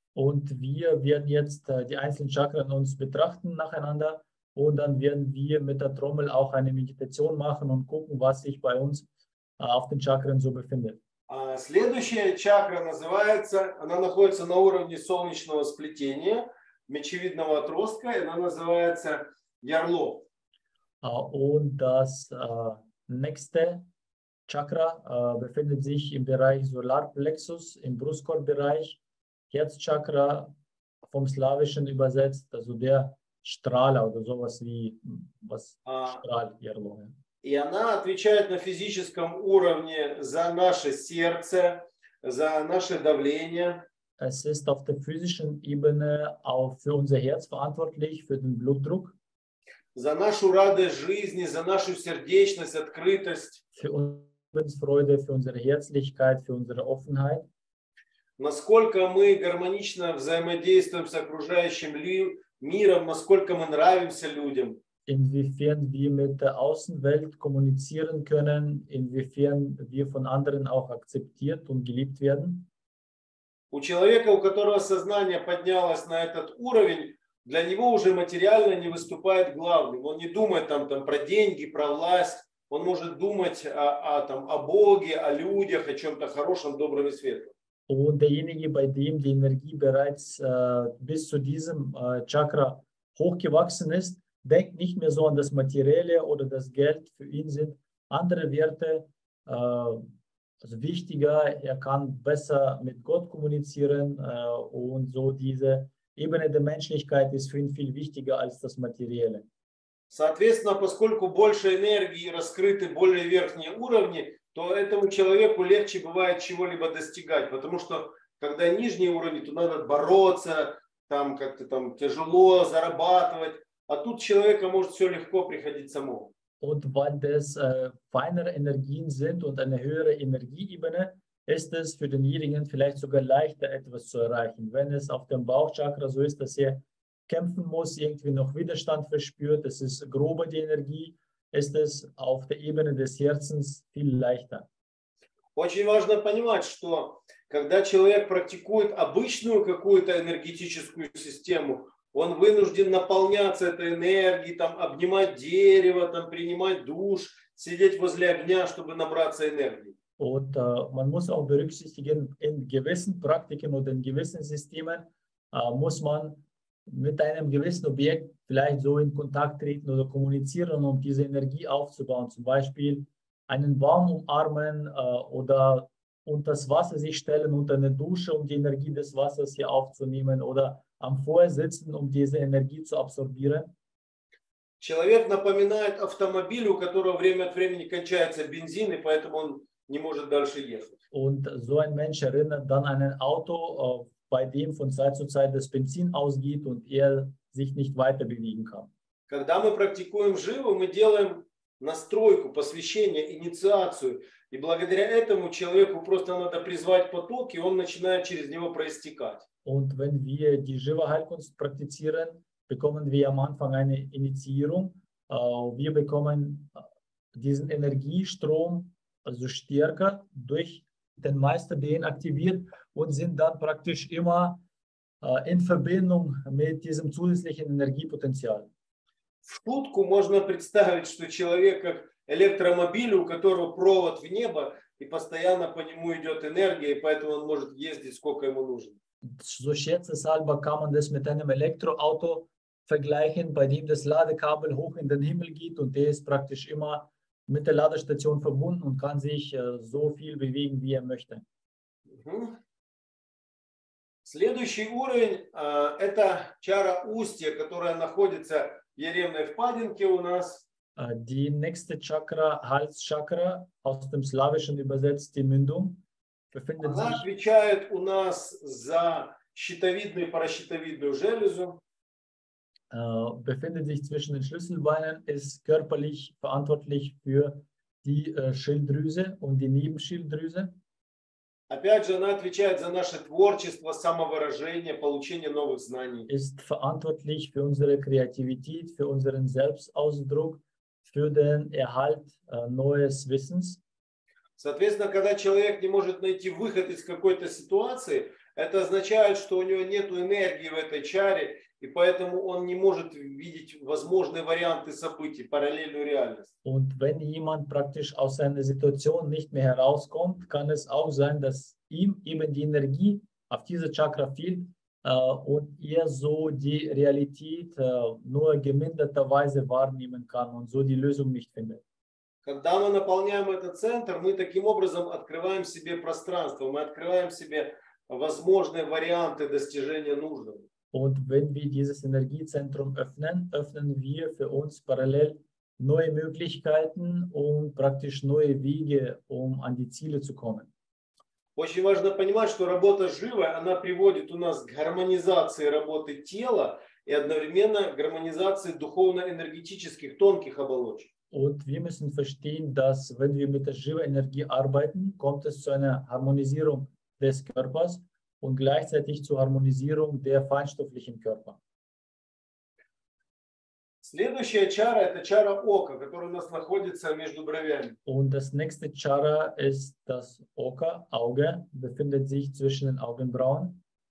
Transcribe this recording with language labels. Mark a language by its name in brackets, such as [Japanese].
[German] Und wir werden jetzt die einzelnen Chakren uns betrachten nacheinander, und dann werden wir mit der Trommel auch eine Meditation machen und gucken, was sich bei uns auf den Chakren so befindet. [Russian] Следующая чакра называется, она находится на уровне солнечного сплетения, мечевидного отростка, и она называется ярло. [German] Und das nächste Chakra befindet sich im Bereich Solarplexus, im Brustkorbbereich, Herzchakra, vom Slawischen übersetzt, also der Strahler oder sowas wie, was strahlt, ярло. [Russian] И она отвечает на физическом уровне за наше сердце, за наше давление. [German] Es ist auf der physischen Ebene auch für unser Herz verantwortlich, für den Blutdruck. [Russian] За нашу радость жизни, за нашу сердечность, открытость. [German] Für unsere Lebensfreude, für unsere Herzlichkeit, für unsere Offenheit. [Russian] Насколько мы гармонично взаимодействуем с окружающим миром, насколько мы нравимся людям. [German] Inwiefern wir mit der Außenwelt kommunizieren können, inwiefern wir von anderen auch akzeptiert und geliebt werden. [Russian] У человека, у которого сознание поднялось на этот уровень, для него уже материально не выступает главным. Он не думает там про деньги, про власть. он может думать там, о Боге, о людях, о чем-то хорошем, добром и светлом. [German] Und derjenige, bei dem die Energie bereits bis zu diesem Chakra hochgewachsen ist, denkt nicht mehr so an das Materielle oder das Geld. Für ihn sind andere Werte also wichtiger. Er kann besser mit Gott kommunizieren und so diese Ebene der Menschlichkeit ist für ihn viel wichtiger als das Materielle. [Russian] Соответственно, поскольку больше энергии раскрыты более верхние уровни, то этому человеку легче бывает чего-либо достигать, потому что когда нижние уровни, то надо бороться, там как-то там тяжело зарабатывать, а тут человеку может все легко приходить само. [German] Und weil das feinere Energien sind und eine höhere Energieebene, ist es für denjenigen vielleicht sogar leichter, etwas zu erreichen. Wenn es auf dem Bauchchakra so ist, dass er kämpfen muss, irgendwie noch Widerstand verspürt, es ist grober die Energie, ist es auf der Ebene des Herzens viel leichter. [Russian] Очень важно понимать, что когда человек практикует обычную какую-то энергетическую систему, он вынужден наполняться этой энергией, там, обнимать дерево, там, принимать душ, сидеть возле огня, чтобы набраться энергии. [German] Und man muss auch berücksichtigen, in gewissen Praktiken oder in gewissen Systemen muss man mit einem gewissen Objekt vielleicht so in Kontakt treten oder kommunizieren, um diese Energie aufzubauen. Zum Beispiel einen Baum umarmen oder unter das Wasser sich stellen, unter eine Dusche, um die Energie des Wassers hier aufzunehmen oder am Feuer sitzen, um diese Energie zu absorbieren. [Russian] Человек напоминает автомобиль, у которого время от времени кончается бензин, и поэтому он не может дальше ехать. [German] Und so ein Mensch erinnert dann an ein Auto, bei dem von Zeit zu Zeit das Benzin ausgeht und er sich nicht weiter bewegen kann. [Russian] Когда мы практикуем живу, мы делаем настройку, посвящение, инициацию. И благодаря этому человеку просто надо призвать поток, и он начинает через него проистекать. [German] Und wenn wir die Jiva-Heilkunst praktizieren, bekommen wir am Anfang eine Initiierung. Wir bekommen diesen Energiestrom, also stärker, durch den Meister den aktiviert und sind dann praktisch immer in Verbindung mit diesem zusätzlichen Energiepotenzial. [Russian] В шутку можно представить, что человек как электромобиль, у которого провод в небо, и постоянно по нему идет энергия, и поэтому он может ездить, сколько ему нужно. [German] So schätzeshalber kann man das mit einem Elektroauto vergleichen, bei dem das Ladekabel hoch in den Himmel geht und der ist praktisch immer mit der Ladestation verbunden und kann sich so viel bewegen, wie er möchte. [Russian] Следующий уровень – это чара устья, которая находится в яремной впадинке у нас. [German] Die nächste Chakra, Halschakra, aus dem Slawischen übersetzt die Mündung, befindet sich. [Russian] Она отвечает у нас за щитовидную и паращитовидную железу. [German] Befindet sich zwischen den Schlüsselbeinen, ist körperlich verantwortlich für die Schilddrüse und die Nebenschilddrüse. [Russian] Опять же, она отвечает за наше творчество, самовыражение, получение новых знаний. [German] Ist verantwortlich für unsere Kreativität, für unseren Selbstausdruck, für den Erhalt neues Wissens. [Russian] Соответственно, когда человек не может найти выход из какой-то ситуации, это означает, что у него нет энергии в этой чаре, и поэтому он не может видеть возможные варианты событий, параллельную реальность. [German] Und wenn jemand praktisch aus seiner Situation nicht mehr herauskommt, kann es auch sein, dass ihm eben die Energie auf dieser Chakra fehlt und er so die Realität nur geminderterweise wahrnehmen kann und so die Lösung nicht findet. [Russian] Когда мы наполняем этот центр, мы таким образом открываем себе пространство, мы открываем себе возможные варианты достижения нужного. [German] Und wenn wir dieses Energiezentrum öffnen, öffnen wir für uns parallel neue Möglichkeiten und praktisch neue Wege, um an die Ziele zu kommen. [Russian] Очень важно понимать, что работа живая, она приводит у нас к гармонизации работы тела и одновременно гармонизации духовно-энергетических тонких оболочек. [German] Und wir müssen verstehen, dass wenn wir mit der Jiva-Energie arbeiten, kommt es zu einer Harmonisierung des Körpers und gleichzeitig zur Harmonisierung der feinstofflichen Körper. [Russian] Следующая чара – это чара ока, которая у нас находится между бровями. [German] Und das nächste чара ist das Oka, Auge, befindet sich zwischen den Augenbrauen.